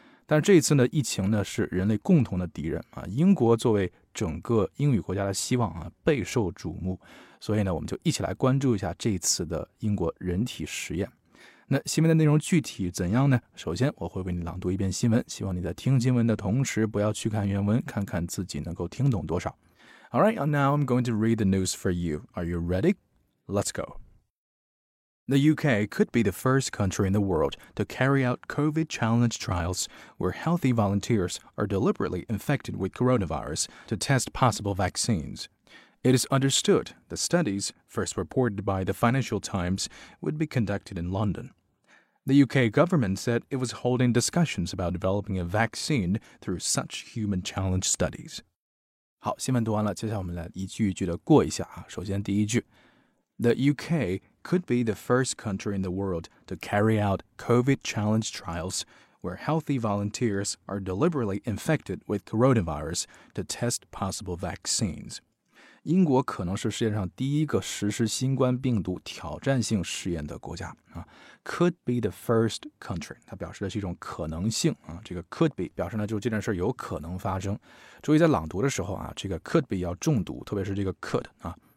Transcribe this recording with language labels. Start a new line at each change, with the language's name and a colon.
Chinese: 但这一次呢，疫情呢是人类共同的敌人啊，英国作为整个英语国家的希望啊备受瞩目，所以呢，我们就一起来关注一下这一次的英国人体实验。那新闻的内容具体怎样呢？首先我会为你朗读一遍新闻，希望你在听新闻的同时不要去看原文，看看自己能够听懂多少。
English: All right, and now I'm going to read the news for you. Are you ready? Let's go. The UK could be the first country in the world to carry out COVID challenge trials where healthy volunteers are deliberately infected with coronavirus to test possible vaccines. It is understood the studies, first reported by the Financial Times, would be conducted in London. The UK government said it was holding discussions about developing a vaccine through such human challenge studies.
Chinese: 好，新闻读完了，接下来我们来一句一句的过一下啊。首先第一句
English: ，The UK could be the first country in the world to carry out COVID challenge trials where healthy volunteers are deliberately infected with coronavirus to test possible vaccines。
Chinese: 英国可能是世界上第一个实施新冠病毒挑战性试验的国家啊。
English: Could be the first country，
Chinese: 它表示的是一种可能性啊。这个 could be 表示呢，就这件事有可能发生。注意在朗读的时候啊，这个 could be 要重读，特别是这个 could 啊。